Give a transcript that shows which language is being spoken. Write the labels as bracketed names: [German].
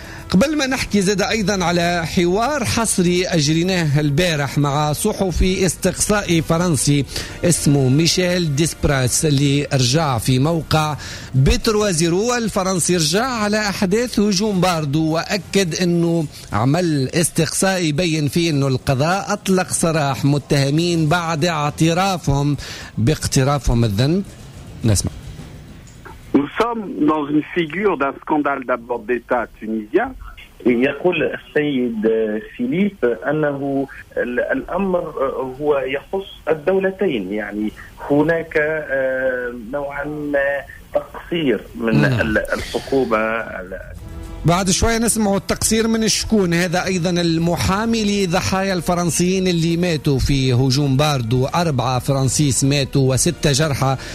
[Arabic] قبل ما نحكي زاد أيضا على حوار حصري أجريناه البارح مع صحفي استقصائي فرنسي اسمه ميشيل ديسبراس، اللي رجع في موقع بتروازيرو الفرنسي، رجع على أحداث هجوم باردو وأكد أنه عمل استقصائي بيّن فيه أنه القضاء أطلق سراح متهمين بعد اعترافهم باقترافهم الذنب. نسمع. [French] Nous sommes dans une figure d'un scandale d'abord d'État tunisien. [Arabic] يقول السيد فيليب أنه الأمر هو يخص الدولتين، يعني هناك نوعا ما تقصير من الحكومة. بعد شوية نسمع التقصير من شكون. هذا أيضا المحامي لضحايا الفرنسيين اللي ماتوا في هجوم باردو، 4 فرنسيس ماتوا و6 جرحى.